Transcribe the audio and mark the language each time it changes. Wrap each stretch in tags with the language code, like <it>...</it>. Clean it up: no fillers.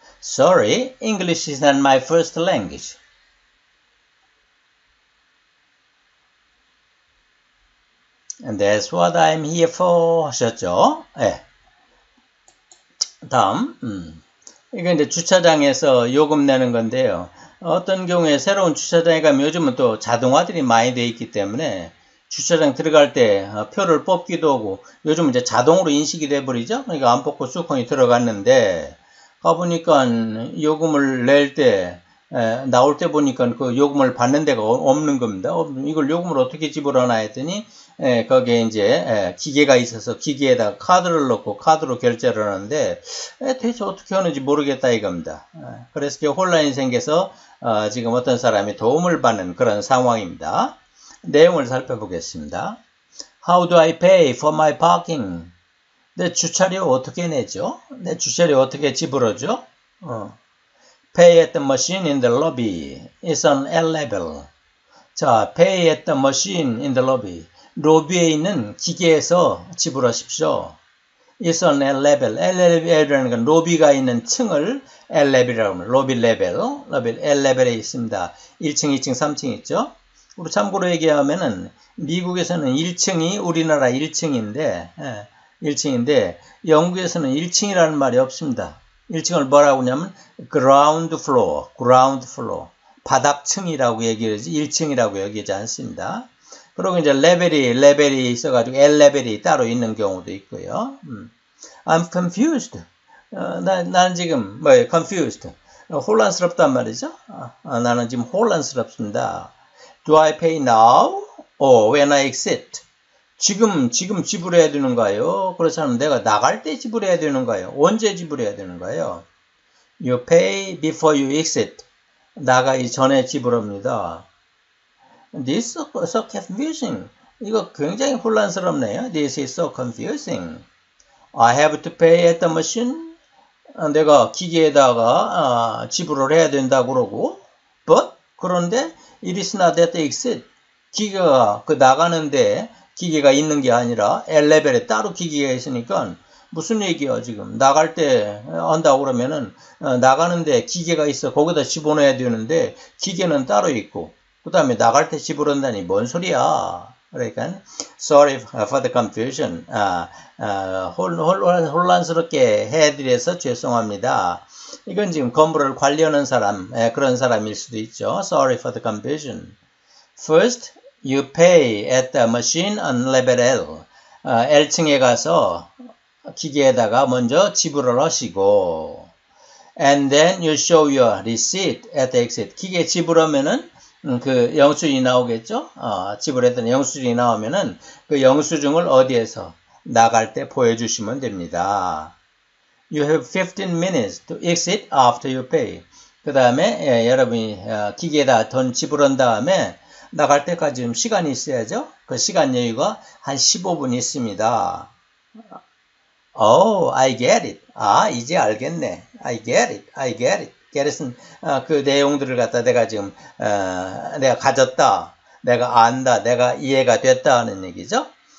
<en>Sorry, English is not my first language.' 'And that's what I'm here for,'</en> <ko>하셨죠? 예. 다음, 이건 이제 주차장에서 요금 내는 건데요. 어떤 경우에 새로운 주차장에 가면 요즘은 또 자동화들이 많이 되어 있기 때문에 주차장 들어갈 때 표를 뽑기도 하고 요즘은 이제 자동으로 인식이 돼 버리죠? 그러니까 안 뽑고 수컷이 들어갔는데 가보니까 요금을 낼 때. 나올 때 보니까 그 요금을 받는 데가 없는 겁니다. 이걸 요금을 어떻게 집어넣나 했더니, 거기에 이제 기계가 있어서 기계에다 카드를 넣고 카드로 결제를 하는데, 대체 어떻게 하는지 모르겠다 이겁니다. 그래서 혼란이 생겨서 지금 어떤 사람이 도움을 받는 그런 상황입니다. 내용을 살펴보겠습니다.</ko> <en>How do I pay for my parking?</en> <ko>내 주차료 어떻게 내죠? 내 주차료 어떻게 집어넣죠?</ko> <en>Pay at the machine in the lobby. It's on L level. 자, pay at the machine in the lobby.</en> <ko>로비에 있는 기계에서 지불하십시오.</ko> <en>It's on L level.</en> <ko>L 레벨이라는 건 로비가 있는 층을 L 레벨이라고 합니다. 로비 레벨. 로비 L 레벨에 있습니다. 1층, 2층, 3층 있죠? 우리 참고로 얘기하면은 미국에서는 1층이 우리나라 1층인데, 1층인데, 영국에서는 1층이라는 말이 없습니다. 1층을 뭐라고 하냐면 ground floor, 바닥층이라고 얘기하지 1층이라고 얘기하지 않습니다. 그리고 이제 레벨이 있어가지고 L레벨이 따로 있는 경우도 있고요.</ko> <en>I'm confused.</en> <ko>나는 지금 뭐예요?</ko> <en>Confused.</en> <ko>혼란스럽단 말이죠. 나는 지금 혼란스럽습니다.</ko> <en>Do I pay now or when I exit?</en> <ko>지금 지불해야 되는 거예요? 그렇다면 내가 나갈 때 지불해야 되는 거예요? 언제 지불해야 되는 거예요?</ko> <en>You pay before you exit.</en> <ko>나가기 전에 지불합니다.</ko> <en>This is so confusing.</en> <ko>이거 굉장히 혼란스럽네요.</ko> <en>This is so confusing. I have to pay at the machine.</en> <ko>내가 기계에다가 지불을 해야 된다고 그러고.</ko> <en>But,</en> <ko>그런데,</ko> <en>it is not at the exit.</en> <ko>기계가 그 나가는데, 기계가 있는 게 아니라 L레벨에 따로 기계가 있으니까 무슨 얘기야 지금 나갈 때 한다고 그러면은 나가는데 기계가 있어 거기다 집어넣어야 되는데 기계는 따로 있고 그 다음에 나갈 때 집어넣는다니 뭔 소리야. 그러니까</ko> <en>sorry for the confusion.</en> <ko>혼란스럽게 해드려서 죄송합니다. 이건 지금 건물을 관리하는 사람, 그런 사람일 수도 있죠.</ko> <en>Sorry for the confusion. First, you pay at the machine on level L.</en> <ko>L층에 가서 기계에다가 먼저 지불을 하시고,</ko> <en>and then you show your receipt at the exit.</en> <ko>기계 지불하면은 그 영수증이 나오겠죠? 지불했던 영수증이 나오면은 그 영수증을 어디에서 나갈 때 보여주시면 됩니다.</ko> <en>You have 15 minutes to exit after you pay.</en> <ko>그 다음에 여러분이 기계에다 돈 지불한 다음에 나갈 때까지 좀 시간이 있어야죠? 그 시간 여유가 한 15분 있습니다.</ko> <en>Oh, I get it.</en> <ko>아, 이제 알겠네.</ko> <en>I get it. I get it.</en> <ko>get은 그 내용들을 갖다 내가 지금 내가 가졌다, 내가 안다, 내가 이해가 됐다 하는 얘기죠.</ko>